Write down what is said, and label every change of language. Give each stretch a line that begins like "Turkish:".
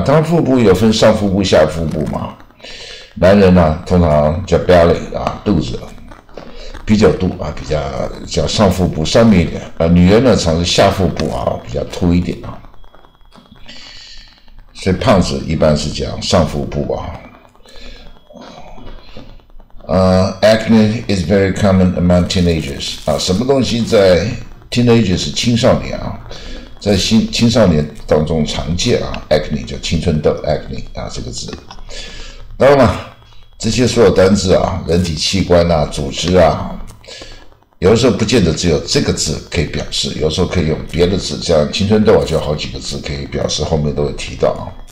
Chinese: 当腹部有分上腹部、下腹部嘛。男人呢、啊，通常叫 belly 啊，肚子比较肚啊，比较叫上腹部上面一点啊。女人呢，常是下腹部啊，比较凸一点啊。所以胖子一般是讲上腹部啊。
English: Acne is very common among teenagers.
Chinese: 啊，什么东西在 teenagers 青少年啊，在青少年当中常见啊 ，acne 叫青春痘 ，acne 啊这个字。当然了，这些所有单字啊，人体器官啊、组织啊，有的时候不见得只有这个字可以表示，有时候可以用别的字，像青春痘啊，就好几个字可以表示，后面都会提到啊。